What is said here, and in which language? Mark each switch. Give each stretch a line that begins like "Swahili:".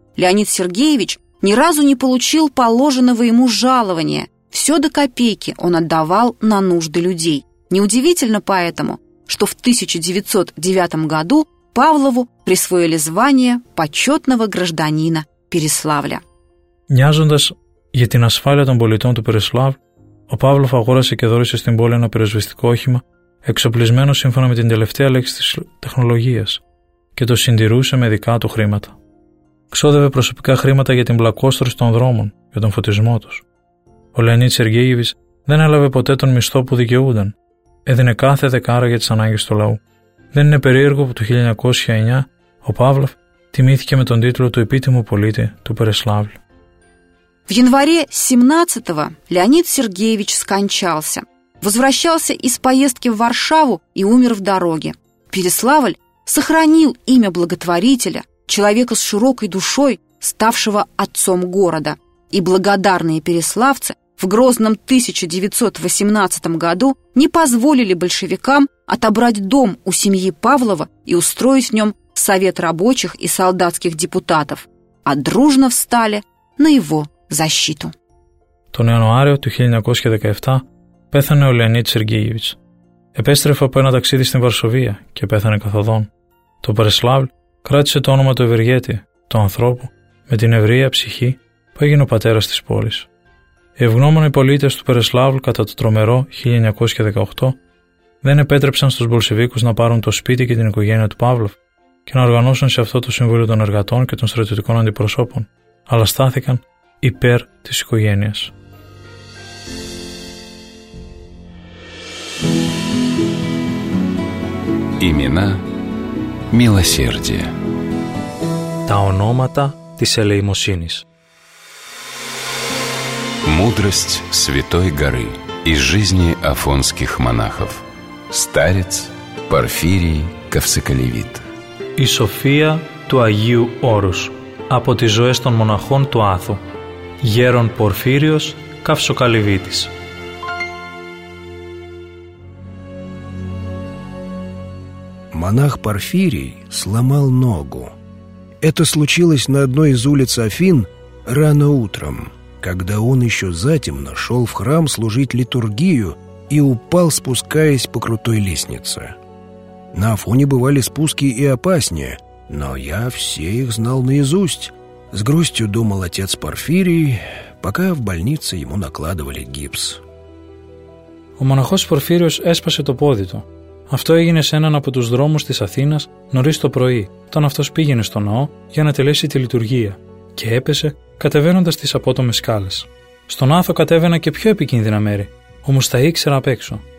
Russian: Леонид Сергеевич ни разу не получил положенного ему жалования. Все до копейки он отдавал на нужды людей. Неудивительно поэтому, что в 1909 году Павлову присвоили звание почетного гражданина Переславля.
Greek: Νοιάζοντας για την ασφάλεια των πολιτών του Περισσλάβλου, ο Παύλοφ αγόρασε και δώρησε στην πόλη ένα πυροσβεστικό όχημα εξοπλισμένο σύμφωνα με την τελευταία λέξη της τεχνολογίας και το συντηρούσε με δικά του χρήματα. Ξόδευε προσωπικά χρήματα για την πλακόστρωση των δρόμων, για τον φωτισμό τους. Ο Λεωνίδης Σεργέγεβιτς δεν έλαβε ποτέ τον μισθό που δικαιούνταν. Έδινε κάθε δεκάρα για τις ανάγκες του λαού. Δεν είναι περίεργο που το 1909 ο Παύλοφ τιμήθηκε με τον τίτλο του επίτιμου πολίτη του Περισσλάβλου.
Russian: В январе 17-го Леонид Сергеевич скончался. Возвращался из поездки в Варшаву и умер в дороге. Переславль сохранил имя благотворителя, человека с широкой душой, ставшего отцом города. И благодарные переславцы в грозном 1918 году не позволили большевикам отобрать дом у семьи Павлова и устроить в нем совет рабочих и солдатских депутатов, а дружно встали на его защиту.
Greek: Τον Ιανουάριο του 1917 πέθανε ο Λεωνίδης Σεργέγεβιτς. Επέστρεφε από ένα ταξίδι στην Βαρσοβία και πέθανε καθοδόν. Το Περισσλάβλ κράτησε το όνομα του ευεργέτη, του ανθρώπου, με την ευρεία ψυχή που έγινε ο πατέρας της πόλης. Οι ευγνώμονοι πολίτες του Περισσλάβλ κατά το τρομερό 1918 δεν επέτρεψαν στους Μπολσεβίκους να πάρουν το σπίτι και την οικογένεια του Παύλοφ και να οργανώσουν σε αυτό το Συμβούλιο των Εργατών και των Στρατιωτικών Αντιπροσώπων, αλλά στάθηκαν υπέρ της οικογένειας.
Russian: Имена милосердия.
Greek: Τα ονόματα της ελεημοσύνης.
Russian: Мудрость Святой Горы из жизни афонских монахов. Старец Порфирий Ковсоколевит.
Greek: Η σοφία του Αγίου Όρους από τις ζωές των μοναχών του Άθου. Γέρον Πορφύριος Καυσοκαλυβίτης.
Russian: Монах Порфирий сломал ногу. Это случилось на одной из улиц Афин рано утром, когда он еще затемно шел в храм служить литургию и упал, спускаясь по крутой лестнице. На Афоне бывали спуски и опаснее, но я все их знал наизусть, с грустью думал отец Порфирий, пока в больнице ему накладывали гипс. У монахов
Greek: Порфириус έσπασε το πόδι του. Αυτό έγινε σε έναν από τους δρόμους της Αθήνας νωρίς το πρωί, όταν αυτός πήγαινε στο ναό για να τελέσει τη λειτουργία και έπεσε κατεβαίνοντας τις απότομες σκάλες. Στον άθο κατέβαινα και πιο επικίνδυνα μέρη, όμως τα ήξερα απ' έξω.